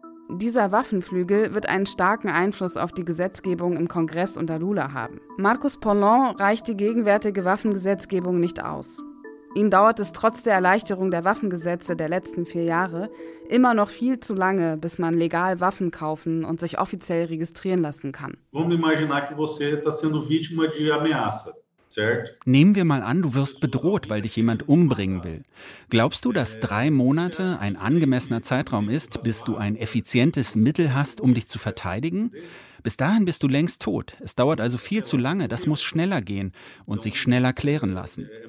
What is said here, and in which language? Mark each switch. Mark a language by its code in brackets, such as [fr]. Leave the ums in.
[de] Dieser Waffenflügel wird einen starken Einfluss auf die Gesetzgebung im Kongress unter Lula haben. Marcus Pollon reicht die gegenwärtige Waffengesetzgebung nicht aus. Ihm dauert es trotz der Erleichterung der Waffengesetze der letzten vier Jahre immer noch viel zu lange, bis man legal Waffen kaufen und sich offiziell registrieren lassen kann. [pt] Vamos imaginar que você está sendo vítima de ameaça. [de] Nehmen wir mal an, du wirst bedroht, weil dich jemand umbringen will. Glaubst du, dass drei Monate ein angemessener Zeitraum ist, bis du ein effizientes Mittel hast, um dich zu verteidigen? Bis dahin bist du längst tot. Es dauert also viel zu lange. Das muss schneller gehen und sich schneller klären lassen.